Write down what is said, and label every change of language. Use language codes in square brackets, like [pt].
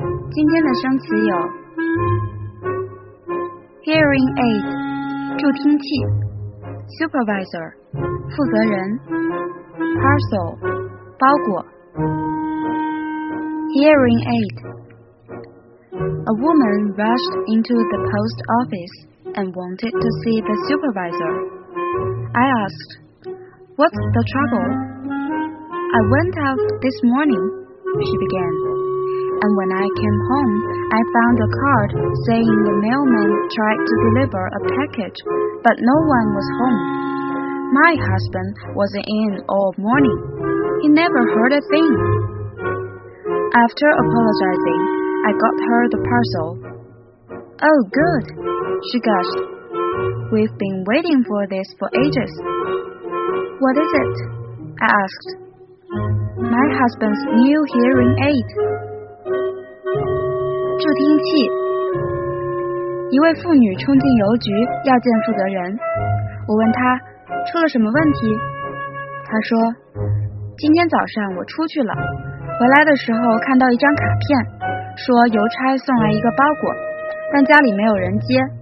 [zh] 今天的生词有 Hearing aid 助听器， Supervisor 负责人， Parcel 包裹。 [en] Hearing aid。 A woman rushed into the post office and wanted to see the supervisor. I asked, "What's the trouble?" "I went out this morning," she began, "and when I came home, I found a card saying the mailman tried to deliver a package, but no one was home. My husband was in all morning. He never heard a thing." After apologizing, I got her the parcel. "Oh, good," she gushed. "We've been waiting for this for ages." "What is it?" I asked. "My husband's new hearing aid." [zh] 助听器。一位妇女冲进邮局要见负责人。我问她出了什么问题，她说，今天早上我出去了，回来的时候看到一张卡片，说邮差送来一个包裹，但家里没有人接。